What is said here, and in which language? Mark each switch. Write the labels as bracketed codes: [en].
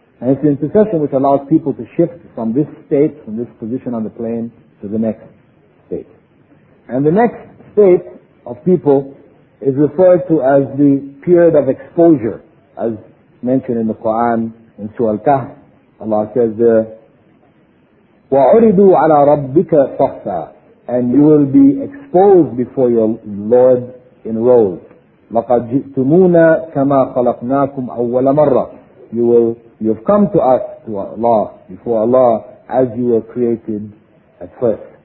[en] And it's the intercession which allows people to shift from this state, from this position on the plane, to the next state. And the next state of people is referred to as the period of exposure, as mentioned in the Quran in Surah Al-Kahf. Allah says there, [ar] وَعُرِدُوا عَلَىٰ رَبِّكَ صَفًّا. [en] And you will be exposed before your Lord in rows. [ar] لَقَدْ جِئْتُمُونَا كَمَا خَلَقْنَاكُمْ أَوَّلَ مَرَّةٍ. [en] You've come to us, to Allah, before Allah, as you were created at first.